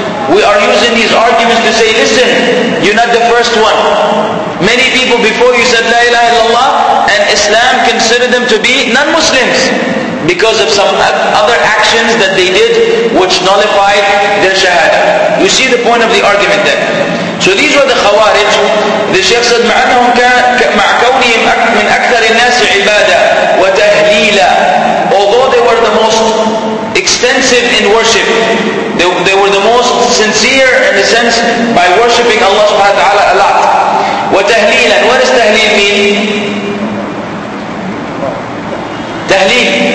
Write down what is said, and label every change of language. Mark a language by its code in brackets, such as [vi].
[en] We are using these arguments to say, listen, you're not the first one. Many people before you said La ilaha illallah, and Islam considered them to be non-Muslims because of some other actions that they did which nullified their shahada. You see the point of the argument then. So these were the Khawarij. [ar] The Shaykh said, مَعَنَّهُمْ كَوْنِهِمْ مِنْ أَكْثَرِ النَّاسِ عِبَادًا وَتَهْلِيلًا. [en] Although they were the most extensive in worship, they were the most sincere in the sense by worshipping Allah subhanahu wa ta'ala a lot. وَتَهْلِيلًا. What does tahleel mean? Tahleel.